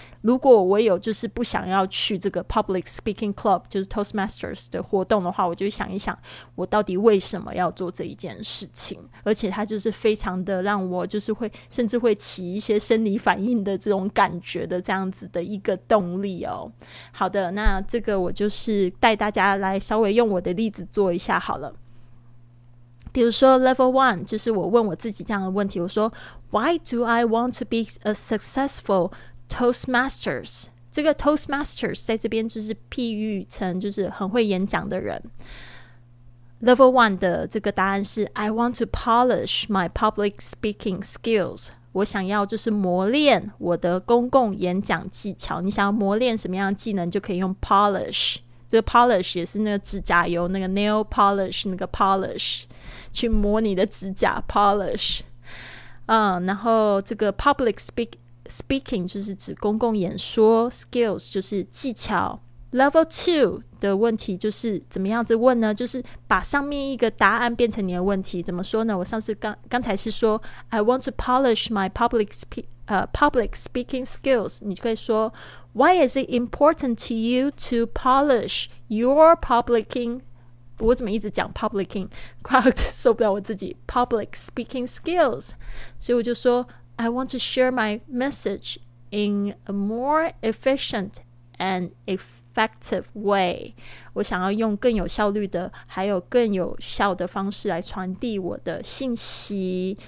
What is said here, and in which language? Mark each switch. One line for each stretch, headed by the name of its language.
Chinese: 如果我有就是不想要去这个 public speaking club， 就是 Toastmasters 的活动的话，我就想一想我到底为什么要做这一件事情，而且它就是非常的让我就是会甚至会起一些生理反应的这种感觉的这样子的一个动力哦。好的，那这个我就是带大家来稍微用我的例子做一下好了。比如说 level one， 就是我问我自己这样的问题，我说
English: Why do I want to be a successful Toastmasters？
Chinese: 这个 Toastmasters 在这边就是譬喻成就是很会演讲的人。 level one 的这个答案是
English: I want to polish my public speaking skills，
Chinese: 我想要就是磨练我的公共演讲技巧。你想要磨练什么样的技能就可以用 polish， 这个 polish 也是那个指甲油，那个 nail polish， 那个 polish去磨你的指甲 polish。然后这个 public speaking 就是指公共演说， skills 就是技巧。 level 2的问题就是怎么样子问呢，就是把上面一个答案变成你的问题。怎么说呢？我上次刚才是说
English: I want to polish my public speaking skills， 你可以说 Why is it important to you to polish your publicing？
Chinese: 我怎么一直讲 publicing， 快受不了我自己
English: public speaking skills。
Chinese: 所以我就说
English: I want to share my message in a more efficient and effective way，
Chinese: 我想要用更有效率的还有更有效的方式来传递我的信息。